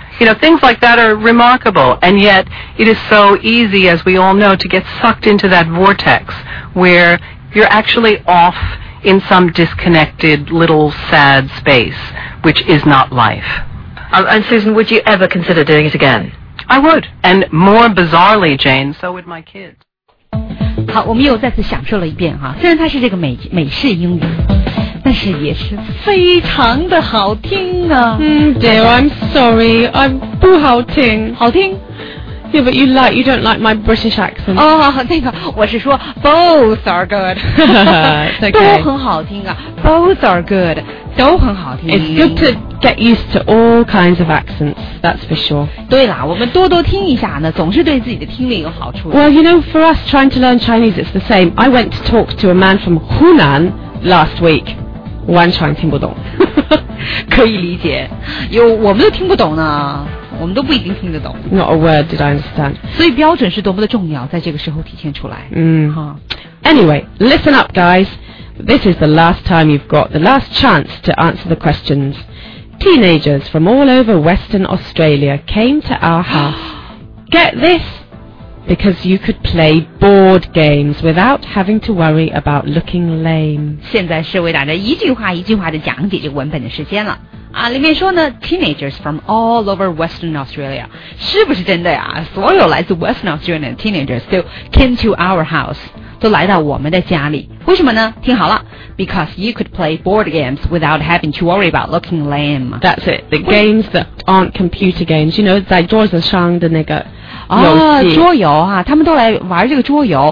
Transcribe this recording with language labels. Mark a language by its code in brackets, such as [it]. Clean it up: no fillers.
[en] You know, things like that are remarkable, and yet it is so easy, as we all know, to get sucked into that vortex where you're actually off in some disconnected little sad space, which is not life. And Susan, would you ever consider doing it again? I would, and more bizarrely, Jane, so would my kids. [zh] 好，我们又再次享受了一遍哈。虽然它是这个美式英语，但是也是非常的好听啊。 [en] Dear, I'm sorry, I'm [zh] 不好听。好听。 [en] Yeah, but you don't like my British accent. Oh, [zh] 那个，我是说 [en] both are good. It's okay. [zh] 都很好听啊。 [en] Both are good. [zh] 都很好听。 [en] It's good to get used to all kinds of accents, that's for sure. [zh] 对啦，我们多多听一下呢，总是对自己的听力有好处。 [en] Well, you know, for us trying to learn Chinese, it's the same. I went to talk to a man from Hunan last week. [zh] 完全听不懂。可以理解，有我们都听不懂呢，我们都不一定听得懂。 [en] Not a word did I understand. [zh] 所以标准是多么的重要，在这个时候体现出来。 [en] 嗯哈。Anyway, listen up, guys. This is the last time you've got the last chance to answer the questions. Teenagers from all over Western Australia came to our house. Get this. Because you could play board games without having to worry about looking lame. [zh] 现在是为大家一句话一句话的讲解这个文本的时间了。啊，里面说呢 , [en] teenagers from all over Western Australia, [zh] 是不是真的呀，所有来自 Western Australia 的 teenagers 都 [en] came to our house, [zh] 都来到我们的家里。为什么呢，听好了 , [en] because you could play board games without having to worry about looking lame. That's it, the games that aren't computer games, you know, [zh] 在桌子上的那个啊，桌游啊，他们都来玩这个桌游。